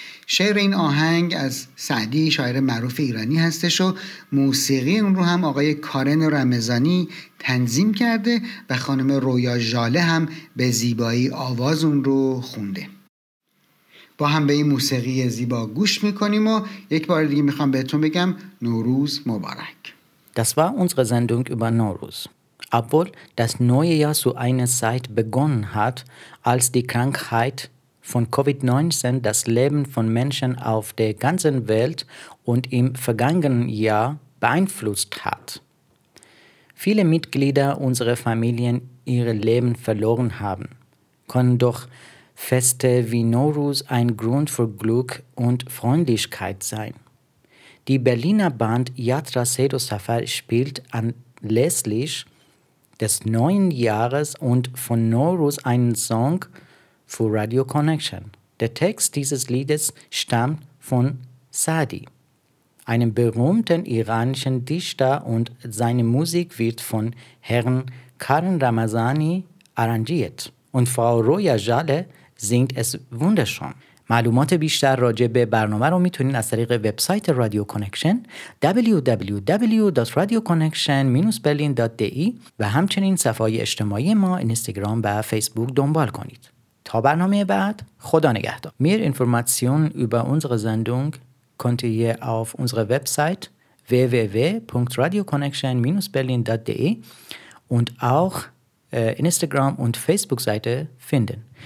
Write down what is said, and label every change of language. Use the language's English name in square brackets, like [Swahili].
[Persian] شعر این آهنگ از سعدی، شاعر معروف ایرانی هستش، و موسیقی اون رو هم آقای کارن رمضانی تنظیم کرده و خانم رویا ژاله هم به زیبایی آواز اون رو خونده. با هم به این موسیقی زیبا گوش میکنیم و یک بار دیگه میخوام بهتون بگم نوروز مبارک. [German] Das war unsere Sendung über Nowruz. Obwohl das neue Jahr zu einer Zeit begonnen hat, als die Krankheit von Covid-19 das Leben von Menschen auf der ganzen Welt und im vergangenen Jahr beeinflusst hat. Viele Mitglieder unserer Familien ihre Leben verloren haben, können doch Feste wie Nowruz ein Grund für Glück und Freundlichkeit sein. Die Berliner Band Yatra Sedo Safar spielt anlässlich des neuen Jahres und von Nowruz einen Song für Radio Connection. Der Text dieses Liedes stammt von Saadi, einem berühmten iranischen Dichter, und seine Musik wird von Herrn Karen Ramazani arrangiert. Und Frau Roya Jale singt es wunderschön. [Persian] معلومات بیشتر راجع به برنامه رو میتونین از طریق وبسایت رادیو کانکشن www.radioconnection-berlin.de و همچنین صفحه اجتماعی ما اینستاگرام و فیسبوک دنبال کنید. تا برنامه بعد، خدا نگهدار. [German] Mehr Informationen über unsere Sendung könnt ihr auf unserer Website www.radioconnection-berlin.de und auch Instagram und Facebook Seite finden.